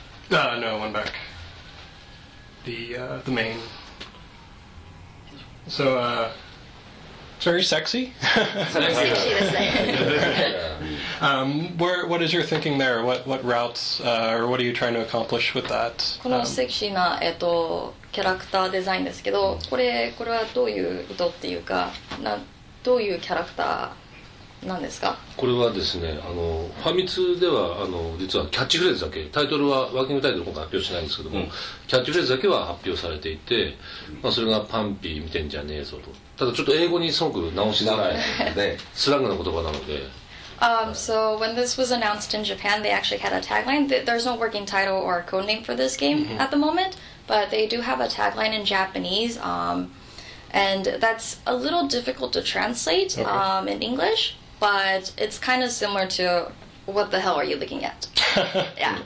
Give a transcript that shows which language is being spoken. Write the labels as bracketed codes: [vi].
[en] No, one back. The main. So it's very sexy. Sexy, she was saying. What is your thinking there? What routes or what are you trying to accomplish with that? [ja] このセクシーなキャラクターデザインですけど、これはどういう意図っていうか、どういうキャラクターなんですか？これはですね、ファミ通では実はキャッチフレーズだけ、タイトルはワーキングタイトルの方が発表しないんですけども、キャッチフレーズだけは発表されていて、それがパンピー見てんじゃねえぞと。ただちょっと英語にすごく直しづらいので、スラングの言葉なので。 [en] So when this was announced in Japan, they actually had a tagline. There's no working title or code name for this game at the moment, but they do have a tagline in Japanese, and that's a little difficult to translate in English, but it's kind of similar to what the hell are you looking at? Yeah.